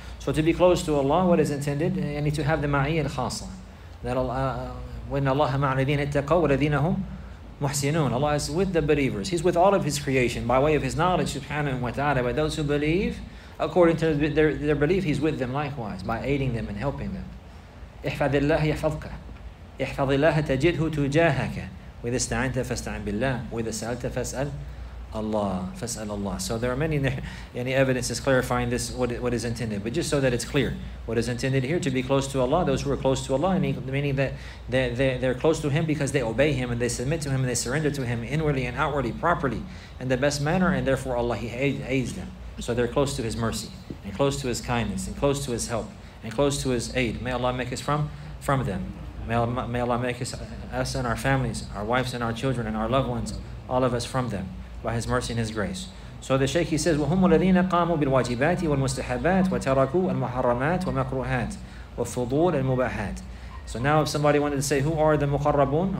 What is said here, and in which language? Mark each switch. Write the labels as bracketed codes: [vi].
[en] So to be close to Allah, what is intended? You need to have the ma'iyya al-khasa. That when Allah ma'aladina ittaqaw wa ladinahum muhsinun. Allah is with the believers. He's with all of His creation by way of His knowledge, subhanahu wa ta'ala. But those who believe, according to their belief, He's with them likewise by aiding them and helping them. [ar] احفظِ اللَّهِ يَحْفَظْكَ احفظِ اللَّهَ تَجِدْهُ تُجَاهَكَ وَإِذَا اسْتَعَنْتَ فَاسْتَعِنْ بِاللَّهِ وَإِذَا سَأَلْتَ فَاسْأَلْ Allah, fas'al Allah. [en] So there are many evidences clarifying this, what is intended. But just so that it's clear, what is intended here? To be close to Allah, those who are close to Allah, meaning that they're close to Him because they obey Him and they submit to Him and they surrender to Him inwardly and outwardly, properly, in the best manner, and therefore Allah, He aids them. So they're close to His mercy, and close to His kindness, and close to His help, and close to His aid. May Allah make us from them. May Allah make us and our families, our wives and our children, and our loved ones, all of us from them. By His mercy and His grace. So the Shaykh, he says, [ar] وَهُمُ الَّذِينَ قَامُوا بِالْوَاجِبَاتِ وَالْمُسْتَحَبَاتِ وَتَرَكُوا الْمُحَرَّمَاتِ وَمَكْرُوهَاتِ وَفُضُولَ الْمُبَاحَاتِ. [en] So now if somebody wanted to say, who are the muqarrabun?